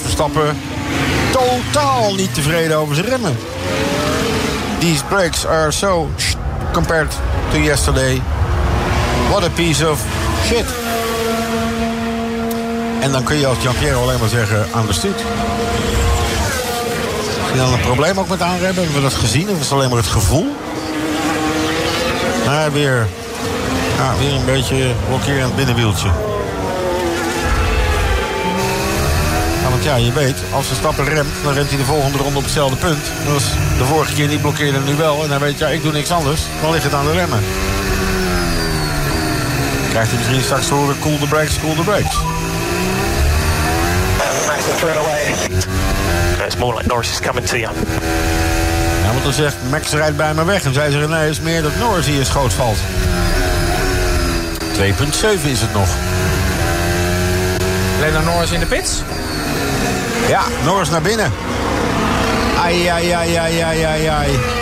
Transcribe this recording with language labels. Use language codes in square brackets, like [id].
[nl] Verstappen totaal niet tevreden over zijn remmen. [en] These brakes are so compared to yesterday. What a piece of shit. [nl] En dan kun je als Jean-Pierre alleen maar zeggen, [en] understood. [nl] Heb je dan een probleem ook met aanremmen? Hebben we dat gezien? Of is het alleen maar het gevoel? Nou, weer een beetje blokkerend binnenwieltje. Want ja, je weet, als de stapper remt, dan remt hij de volgende ronde op hetzelfde punt. Dat was de vorige keer niet blokkeerde, nu wel. En dan weet je, ja, ik doe niks anders. Dan ligt het aan de remmen. Krijgt hij misschien straks te horen, [en] cool the brakes, cool the brakes. It's more like Norris is coming to you. [nl] Ja, want dan zegt Max rijdt bij me weg. En zij zeggen, nee, het is meer dat Norris hier schoot valt. 2.7 is het nog. Lena Norris in de pits. Ja, Norris naar binnen. Ai, ai, ai, ai, ai, ai, ai.